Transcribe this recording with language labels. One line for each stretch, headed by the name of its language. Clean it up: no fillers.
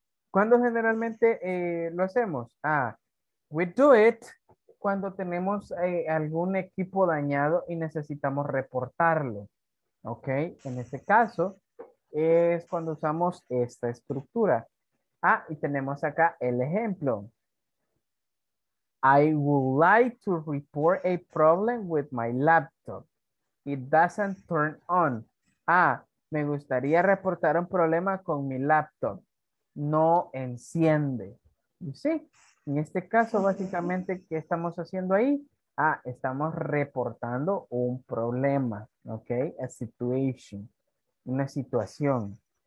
Spanish: ¿Cuándo generalmente lo hacemos? Ah,
English: we do it
Spanish: cuando tenemos algún equipo dañado y necesitamos reportarlo. Ok, en este caso es cuando usamos esta estructura. Ah, y tenemos acá el ejemplo.
English: I would like to report a problem with my laptop. It doesn't turn on.
Spanish: Ah, me gustaría reportar un problema con mi laptop. No enciende.
English: You see?
Spanish: En este caso, básicamente, ¿qué estamos haciendo ahí? Ah, estamos reportando un problema.
English: Ok, a situation.
Spanish: Una situación.